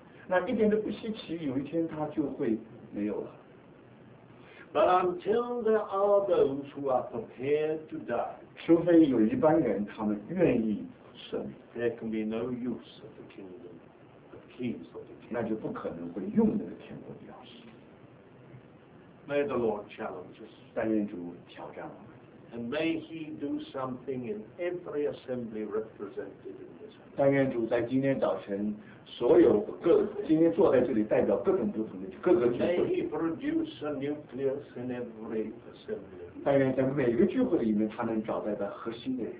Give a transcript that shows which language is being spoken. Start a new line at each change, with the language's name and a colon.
Chinese: 那一点都不稀奇，有一天他就会没有了。
English: But until there are those who are prepared to die，
Chinese: 除非有一般人他们愿意舍命
English: ，there can be no use of the kingdom， the keys of the kingdom，
Chinese: 那就不可能会用那个天国的钥匙。
English: May the Lord challenge us，
Chinese: 但愿主挑战我们。
English: And may He do something in every assembly represented in this.
Chinese: 但愿主在今天早晨所有各今天坐在这里代表各种不同的各个聚会。
English: May He produce a nucleus in every assembly.
Chinese: 但愿在每个聚会里面，他能找到一个核心的人。